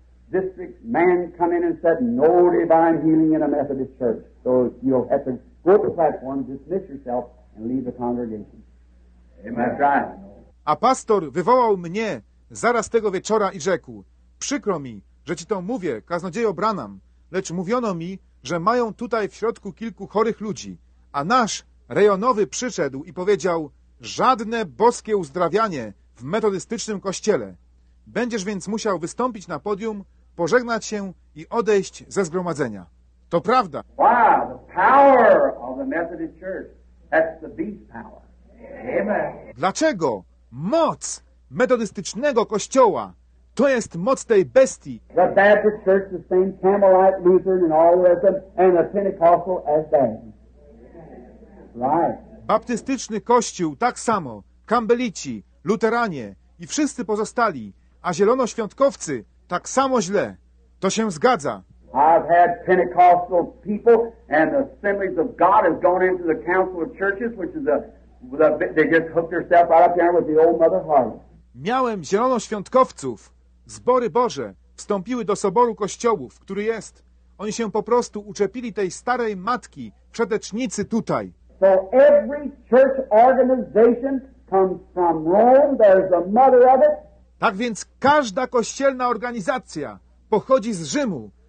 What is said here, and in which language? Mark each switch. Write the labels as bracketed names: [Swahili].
[English] District man come in and said, no divine healing in a Methodist church. So you'll have to go to the platform, dismiss yourself and leave the congregation. Amen. That's right. [Polish] A pastor wywołał mnie zaraz tego wieczora i rzekł, przykro mi, że ci to mówię, kaznodziejo Branham, lecz mówiono mi, że mają tutaj w środku kilku chorych ludzi, a nasz rejonowy przyszedł i powiedział, żadne boskie uzdrawianie w metodystycznym kościele. Będziesz więc musiał wystąpić na podium, pożegnać się i odejść ze zgromadzenia. To prawda. [English] Wow, the power of the Methodist Church. That's the beast power. Amen. [Polish] Dlaczego? Moc metodystycznego kościoła. To jest moc tej bestii. [English] The Baptist Church is the same Carmelite, Lutheran and all of them and the Pentecostal as them. Right. [Polish] Baptystyczny kościół tak samo. Kambelici, Luteranie i wszyscy pozostali. A zielonoświątkowcy tak samo źle. To się zgadza. [English] I've had Pentecostal people and the assemblies of God have gone into the council of churches, which is they just hooked themselves right up there with the old mother heart. [Polish] Miałem zielonoświątkowców. Zbory Boże wstąpiły do soboru kościołów, który jest. Oni się po prostu uczepili tej starej matki, przetecznicy tutaj. [English] So every church organization comes from Rome. There's a mother of it. [Polish] Tak więc każda kościelna organizacja pochodzi z Rzymu.